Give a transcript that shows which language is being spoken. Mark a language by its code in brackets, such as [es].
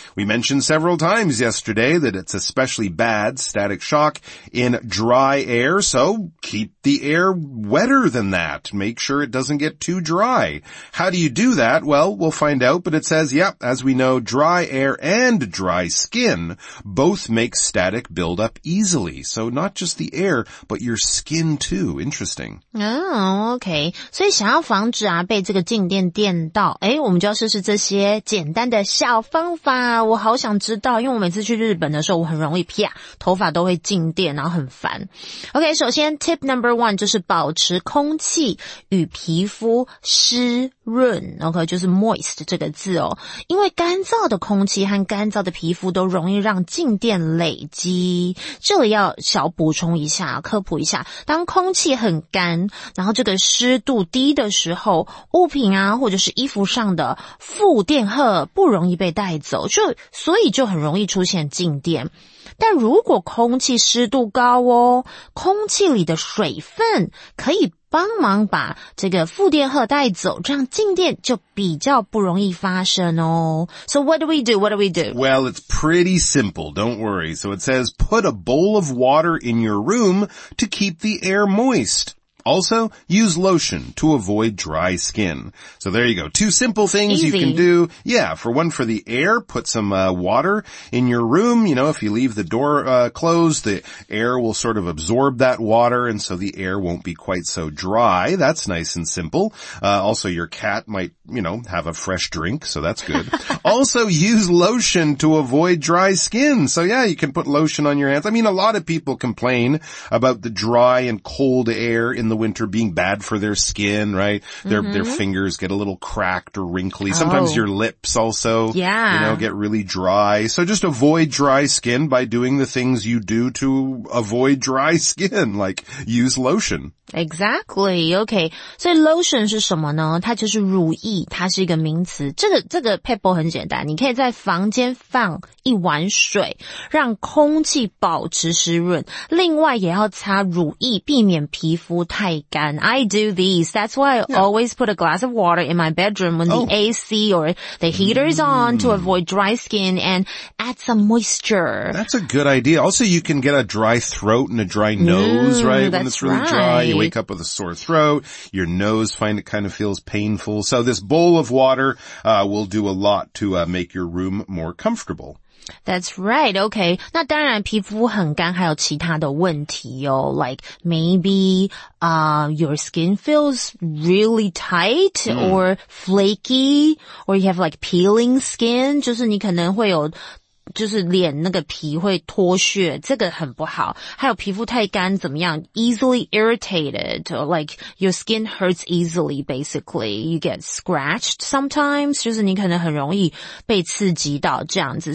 [en] We mentioned several times yesterday that it's especially bad, static shock, in dry air, so keep the air wetter than that. Make sure it doesn't get too dry. How do you do that? Well, we'll find out, but it says, yep, as we know, dry air and dry skin both make static build up easily. So not just the air, but your skin too. Interesting. Oh, okay. [zh] 所以想要防止啊，被这个静电电到，诶，我们就要试试这些简单的小方法。我好想知道，因为我每次去日本的时候，我很容易啪，头发都会静电，然后很烦。 OK, 首先 [en] tip number one [zh] 就是保持空气与皮肤湿润， OK, 就是 moist 这个字哦。因为干燥的空气和干燥的皮肤都容易让静电累积。这里要小补充一下，科普一下，当空气很干，然后这个湿度低的时候，物品啊或者是衣服上的负电荷不容易被带走，所以就很容易出现静电。但如果空气湿度高哦，空气里的水分可以帮忙把这个负电荷带走，这样静电就比较不容易发生哦。 [en] So what do we do? What do we do? Well, it's pretty simple. Don't worry. So it says, put a bowl of water in your room to keep the air moist. Also, use lotion to avoid dry skin. So there you go. Two simple things you can do. Yeah, for one, for the air, put some water in your room. You know, if you leave the door closed, the air will sort of absorb that water, and so the air won't be quite so dry. That's nice and simple. Also, your cat might, you know, have a fresh drink, so that's good. Also, use lotion to avoid dry skin. So yeah, you can put lotion on your hands. I mean, a lot of people complain about the dry and cold air in the the winter being bad for their skin, right? Their, mm-hmm. their fingers get a little cracked or wrinkly. Oh. Sometimes your lips also, yeah. you know, get really dry. So just avoid dry skin by doing the things you do to avoid dry skin, like use lotion. Exactly. Okay. [zh] 所以 lotion 是什么呢？它就是乳液，它是一个名词。这个 paper 很简单，你可以在房间放一碗水，让空气保持湿润。另外也要擦乳液，避免皮肤太干。 [en] I do these. That's why I always put a glass of water in my bedroom when the AC or the heater is on to avoid dry skin and add some moisture. That's a good idea. Also, you can get a dry throat and a dry nose, right? That's when it's really dry. Right. You wake up with a sore throat, your nose find it kind of feels painful. So this bowl of water, will do a lot to, make your room more comfortable. That's right, okay. [zh] 那当然皮肤很干还有其他的问题哦。 [en] Like, maybe, your skin feels really tight or flaky, or you have like peeling skin, [zh] 就是你可能会有就是脸那个皮会脱屑，这个很不好。还有皮肤太干怎么样 [en] ？Easily irritated, or like your skin hurts easily. Basically, you get scratched sometimes. [zh] 就是你可能很容易被刺激到这样子。